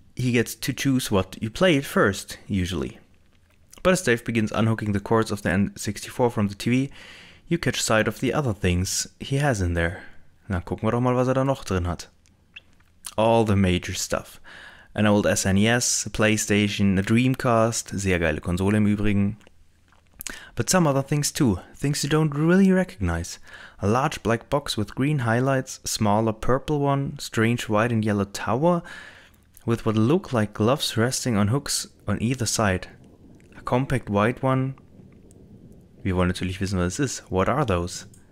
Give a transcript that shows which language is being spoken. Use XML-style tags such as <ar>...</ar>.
<en>He gets to choose what you play at first, usually. But as Dave begins unhooking the cords of the N64 from the TV, you catch sight of the other things he has in there.</en> <de>Na, gucken wir doch mal, was er da noch drin hat.</de> <en>All the major stuff. An old SNES, a PlayStation, a Dreamcast,</en> <de>sehr geile Konsole im Übrigen.</de> <en>But some other things too, things you don't really recognize. A large black box with green highlights, a smaller purple one, strange white and yellow tower, with what look like gloves resting on hooks on either side. A compact white one.</en> <de>Wir wollen natürlich wissen, was es ist.</de> <en>What are those?</en>